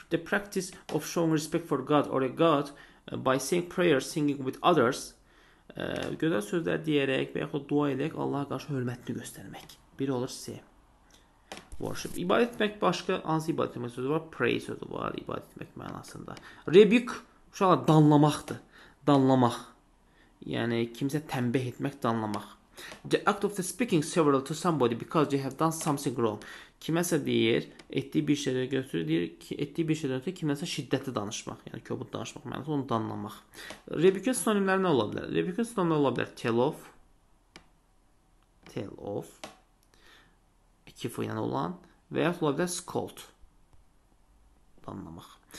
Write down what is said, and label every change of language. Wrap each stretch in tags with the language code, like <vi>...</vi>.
<en>The practice of showing respect for God or a God by saying prayers, singing with others,</en> <az>gözəl sözlər deyərək və yaxud dua edərək Allaha qarşı hörmətini göstərmək.</az> <en>Biri olur C. Worship.</en> <az>İbadət etmək başqa hansı ibadət etmək sözü var? Pray sözü var ibadət etmək mənasında. Rebuke uşaqlar danlamaqdır. Danlamaq. Yəni kimsə tənbih etmək, danlamaq.</az> <en>The act of the speaking severely to somebody because they have done something wrong.</en> <az>Kiməsə deyir, etdiyi bir şeylə götürür, deyir ki, etdiyi bir şeylə götürür, kiməsə şiddətli danışmaq. Yəni kobud danışmaq mənası onu danlamaq. Rebuke-in sinonimləri nə ola bilər? Rebuke-in sinonimləri ola bilər. Tell of. Tell of. Kifo ilə olan və yaxud ola bilər scold. Danlamaq.</az>